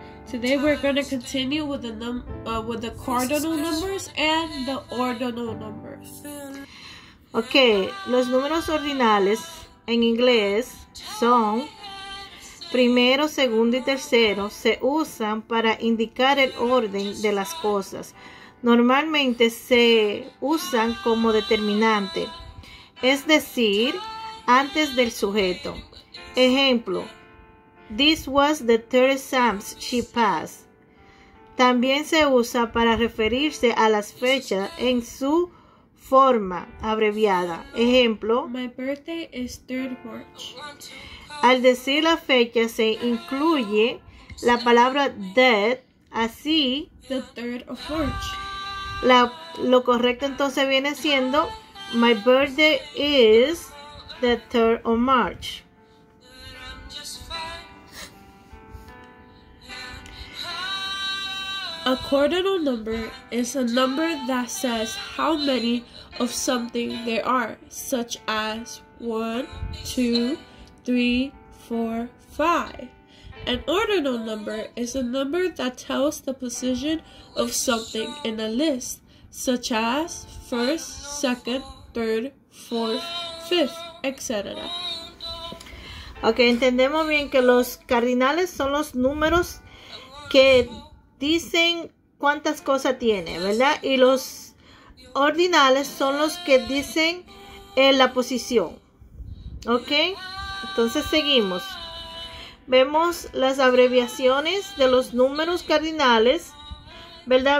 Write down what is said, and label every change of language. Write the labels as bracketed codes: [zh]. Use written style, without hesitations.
[en] Today we're going to continue with the the cardinal numbers and the ordinal numbers. [es] Ok, los números ordinales en inglés son primero, segundo y tercero. Se usan para indicar el orden de las cosas. Normalmente se usan como determinante, es decir, antes del sujeto. Ejemplo, [en] this was the third exam she passed. [es] También se usa para referirse a las fechas en su forma abreviada. Ejemplo, [en] my birthday is 3rd March. [es] Al decir la fecha se incluye la palabra that, así, [en] the 3rd of March. [es] Lo correcto entonces viene siendo [en] my birthday is the 3rd of March. A cardinal number is a number that says how many of something there are, such as 1, 2, 3, 4, 5. An ordinal number is a number that tells the position of something in a list, such as 1st, 2nd, 3rd, 4th, 5th, etc. [es] Okay, entendemos bien que los cardinales son los números que dicen cuántas cosas tiene, ¿verdad? Y los ordinales son los que dicen la posición. Okay, entonces seguimos. Vemos las abreviaciones de los números cardinales, ¿verdad?